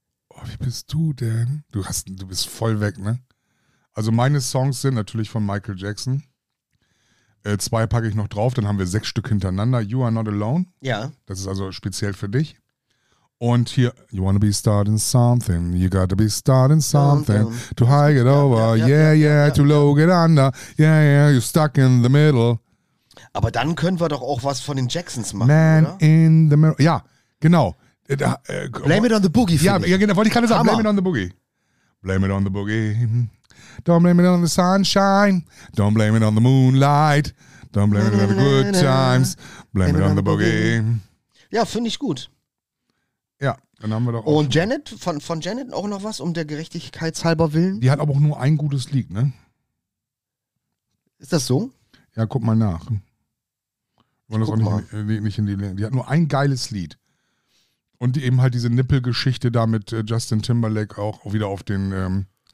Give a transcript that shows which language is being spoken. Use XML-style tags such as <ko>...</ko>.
<de>Oh, wie bist du denn? Du bist voll weg, ne? Also meine Songs sind natürlich von Michael Jackson. Zwei packe ich noch drauf, dann haben wir 6 Stück hintereinander.</de> <en>You Are Not Alone.</en> <de>Ja. Das ist also speziell für dich. Und hier,</de> <en>you wanna be starting something, you gotta be starting something. To high get over, to low get under, you stuck in the middle.</en> <de>Aber dann können wir doch auch was von den Jacksons machen,</de> <en>Man</en> <de>oder?</de> <en>In the middle,</en> <de>ja, genau.</de> <en>Blame it on the boogie,</en> <de>genau, wollte ich gerade sagen,</de> <en>blame it on the boogie. Blame it on the boogie. Don't blame it on the sunshine. Don't blame it on the moonlight. Don't blame it on the good times. Blame it on the boogie.</en> <de>Ja, finde ich gut. Ja, dann haben wir doch auch. Und Janet, von Janet auch noch was, um der Gerechtigkeitshalber willen? Die hat aber auch nur ein gutes Lied, ne? Ist das so? Ja, guck mal nach. Nicht in die Länge. Die hat nur ein geiles Lied. Und die eben halt diese Nippelgeschichte da mit Justin Timberlake auch wieder auf den.</de>